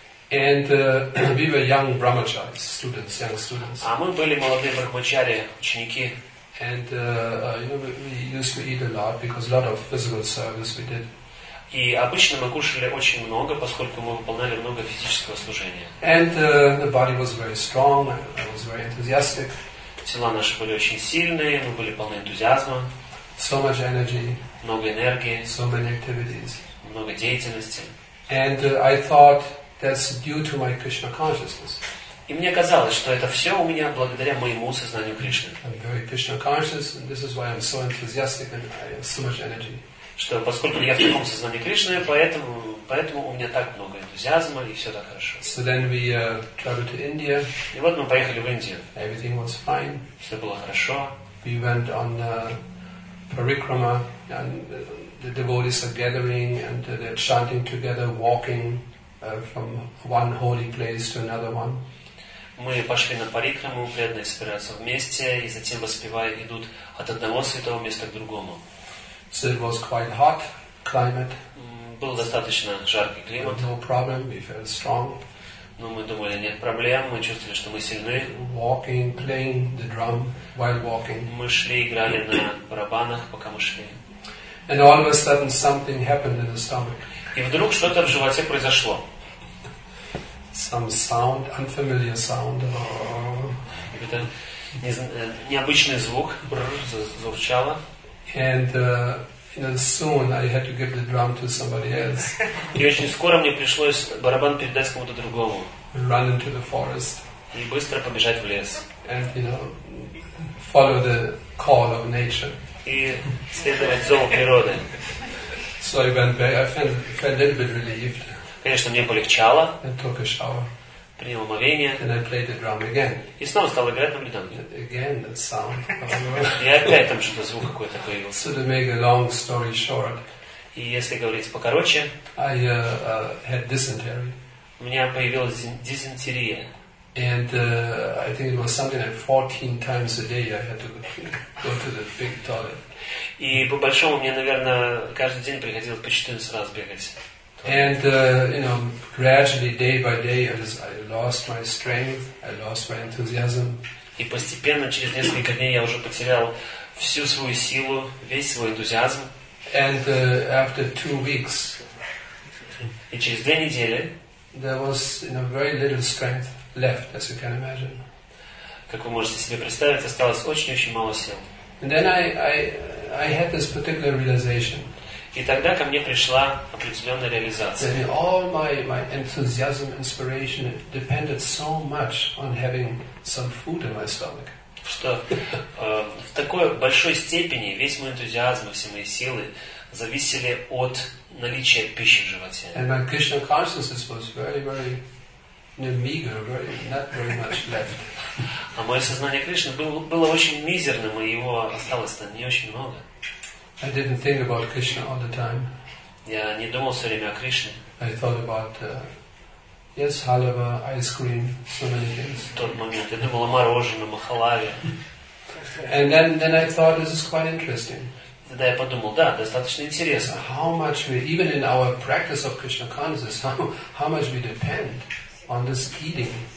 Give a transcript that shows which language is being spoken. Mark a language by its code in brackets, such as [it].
[en] And we were young brahmacharis, students, young students. [ru] А мы были молодые брахмачари, ученики. [en] And we used to eat a lot because a lot of physical service we did. [ru] И обычно мы кушали очень много, поскольку мы выполняли много физического служения. [en] And the body was very strong, I was very enthusiastic. [ru] Тела наши были очень сильные, мы были полны энтузиазма. [en] So much energy. [ru] Много энергии. [en] So many activities. [ru] Много деятельности. [en] And I thought that's due to my Krishna consciousness. [ru] И мне казалось, что это все у меня благодаря моему сознанию Кришны. [en] I'm very Krishna conscious, and this is why I'm so enthusiastic and I have so much energy. [ru] Что поскольку я в таком сознании Кришны, поэтому у меня так много энтузиазма и все так хорошо. [en] So then we traveled to India. [ru] И вот мы поехали в Индию. [en] Everything was fine. [ru] Все было хорошо. [en] We went on parikrama, and the devotees are gathering and they're chanting together, walking from one holy place to another one. [ru] Мы пошли на парикраму, преданные собираются вместе, и затем, воспевая, идут от одного святого места к другому. [en] So it was quite hot climate. [ru] Был достаточно жаркий климат. [en] No problem, we felt strong. [ru] Но мы думали, нет проблем, мы чувствовали, что мы сильны. [en] Walking, playing the drum while walking. [ru] Мы шли, играли на барабанах, пока мы шли. [en] And all of a sudden something happened in the stomach. [ru] И вдруг что-то в животе произошло. [en] Some sound, unfamiliar sound. [ru] Какой-то необычный звук, зазвучало. [en] And soon I had to give the drum to somebody else. [ru] И очень скоро мне пришлось барабан передать кому-то другому. [en] Run into the forest. [ru] И быстро побежать в лес. [en] And follow the call of nature. [ru] И следовать зову природы. [en] So I went back. I felt a little bit relieved. [ru] Конечно, мне полегчало. [en] I took a shower. [ru] Принял омовение. [en] And I played the drum again. [ru] И снова стал играть на бидон. [en] Again that sound. [ru] И опять там что-то звук какой-то появился. [en] So to make a long story short. [ru] И если говорить покороче. [en] I had dysentery. [ru] У меня появилась дизентерия. [en] And I think it was something like 14 times a day I had to go to the big toilet. [ru] И по большому мне, наверное, каждый день приходилось по 14 раз бегать. [en] And gradually, day by day, I lost my strength, I lost my enthusiasm. [ru] И постепенно через несколько дней я уже потерял всю свою силу, весь свой энтузиазм. [en] And after 2 weeks. [ru] И через 2 недели. [en] There was very little strength left, as you can imagine. [ru] Как вы можете себе представить, осталось очень-очень мало сил. [en] And then I had this particular realization. [ru] И тогда ко мне пришла определенная реализация. [en] That all my enthusiasm, inspiration depended so much on having some food in my stomach. [ru] Что в такой большой степени весь мой энтузиазм и все мои силы зависели от наличия пищи в животе. [en] And my Krishna consciousness was very, very meager, very, not very much left. [ru] А мое сознание Кришны было очень мизерным, и его осталось не очень много. [en] I didn't think about Krishna all the time. [ru] Я не думал все время о Кришне. [en] I thought about halwa, ice cream, so many things. [ru] В тот момент я думал о мороженом, о халаве. [en] And then I thought this is quite interesting. [ru] Тогда я подумал, да, достаточно интересно. [en] How much we even in our practice of Krishna consciousness, how much we depend on this eating.